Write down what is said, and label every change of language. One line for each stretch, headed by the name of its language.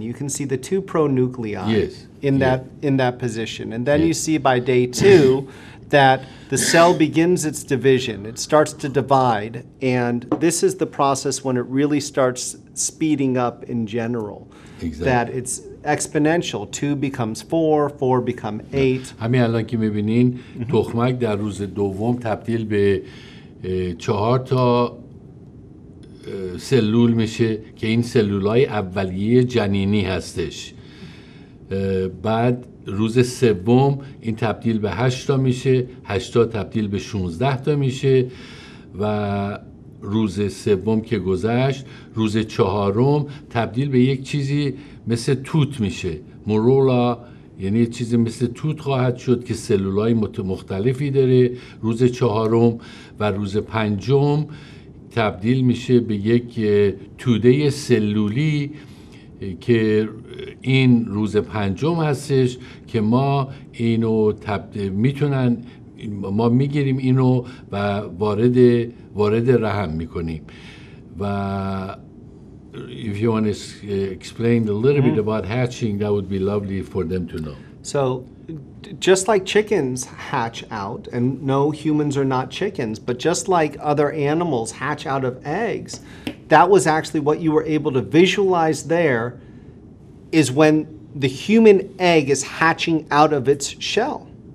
English: You can see the two pronuclei in that position. And then you see by day two that the cell begins its division. It starts to divide. And this is the process when it really starts speeding up in general. Exactly. That it's exponential. Two becomes four, four become eight.
Persian: همین الان که میبینین تخمک در روز دوم تبدیل به چهار تا سلول میشه که این سلولای اولیه جنینی هستش. بعد روز سوم این تبدیل به 8 تا میشه، 8 تا تبدیل به 16 تا میشه، و روز سوم که گذشت، روز چهارم تبدیل به یک چیزی مثل توت میشه، مورولا، یعنی یک چیزی مثل توت خواهد شد که سلولای مختلفی داره روز چهارم، و روز پنجم تبدیل میشه به یک توده سلولی که این روز پنجم هستش که ما اینو میتونن، ما میگیریم اینو و وارد رحم میکنیم.
English: و if you want to explain a little bit about hatching, that would be lovely for them to know. So just like chickens hatch out, and no, humans are not chickens, but just like other animals hatch out of eggs, that was actually what you were able to visualize there, is when the human egg is hatching out of its shell.